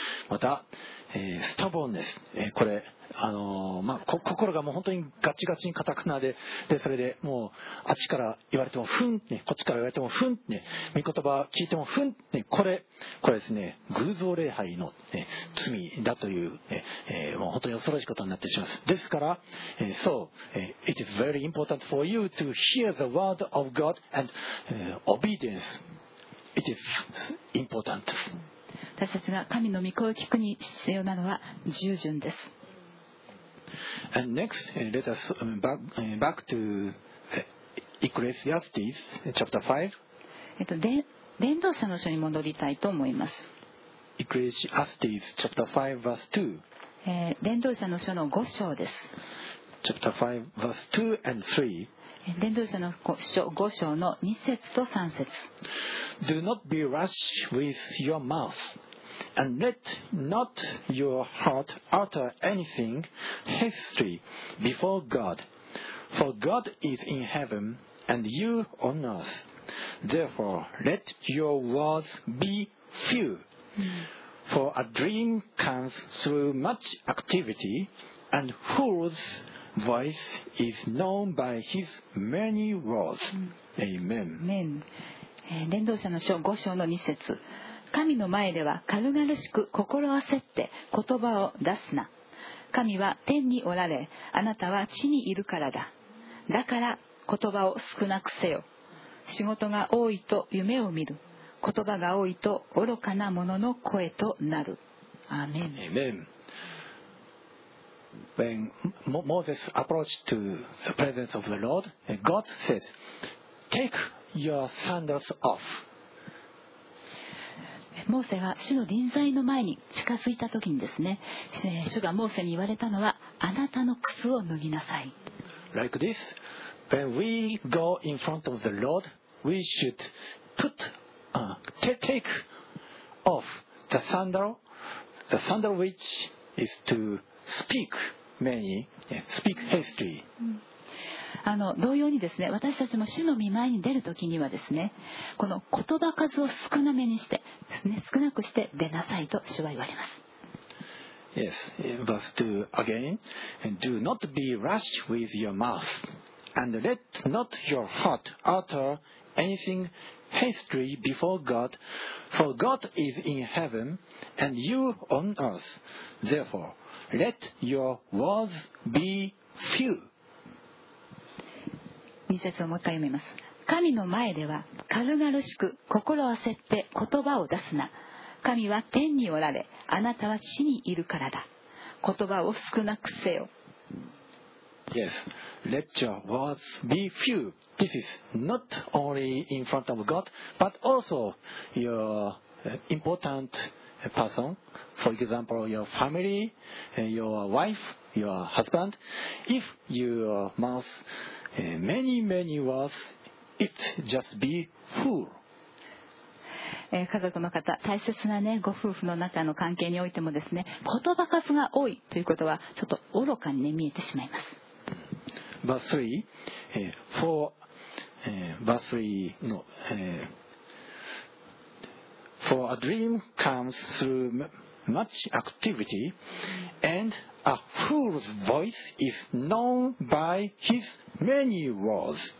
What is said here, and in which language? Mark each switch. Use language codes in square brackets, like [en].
[ja] また、スタボンです。これ、心がもう本当にガチガチにカタカナ でそれでもうあっちから言われてもフンって、ね、こっちから言われてもフンって、ね、御言葉聞いてもフンって、ね、これですね、偶像礼拝の、ね、罪だという、ね、もう本当に恐ろしいことになってしまいます。ですから、 [en] So it is very important for you to hear the word of God and obedience. It is important. [ja] 私たちが神の御声を聞くに必要なのは従順です。 [en] And next, let us back to Ecclesiastes chapter 5. [ja] 伝道者の書に戻りたいと思います。 [en] Ecclesiastes chapter 5 verse 2. [ja] 伝道者の書の5章です。 [en] Chapter 5 verse 2 and 3. [ja] 伝道者の書5章の2節と3節。 [en] Do not be rash with your mouth. And let not your heart utter anything hastily before God. For God is in heaven, and you on earth. Therefore, let your words be few. For a dream comes through much activity, and fool's voice is known by his many words. Amen. [ja] Amen. 伝道者の書5章の2節。神の前では軽々しく心焦って言葉を出すな。神は天におられ、あなたは地にいるからだ。だから言葉を少なくせよ。仕事が多いと夢を見る。言葉が多いと愚かな者の声となる。アーメン。アーメン。 [en] When Moses approached to the presence of the Lord, God said, Take your sandals off. [ja] モーセが主の臨在の前に近づいた時にですね、主がモーセに言われたのは、あなたの靴を脱ぎなさい。 [en] Like this, when we go in front of the Lord, we should put, take off the sandal which is to speak many, speak history. [ja] 同様にですね、私たちも主の御前に出るときにはですね、この言葉数を少なめにして、ね、少なくして出なさいと主は言われます。 [en] Yes, verse 2 again. Do not be rash with your mouth, and let not your heart utter anything hastily before God, for God is in heaven, and you on earth. Therefore, let your words be few. [ja] 2節をもう一回読みます。神の前では軽々しく心焦って言葉を出すな。神は天におられ、あなたは地にいるからだ。言葉を少なくせよ。 [en] Yes, let your words be few. This is not only in front of God, but also your important person. For example, your family, your wife, your husband. If your mouthMany, many words, it just be fool. [ja] 家族の方、大切な、ね、ご夫婦の中の関係においてもですね、言葉数が多いということはちょっと愚かに、ね、見えてしまいます。 [en] Verse 3 for, verse 3 no, for a dream comes through much activity andA fool's voice is known by his many words.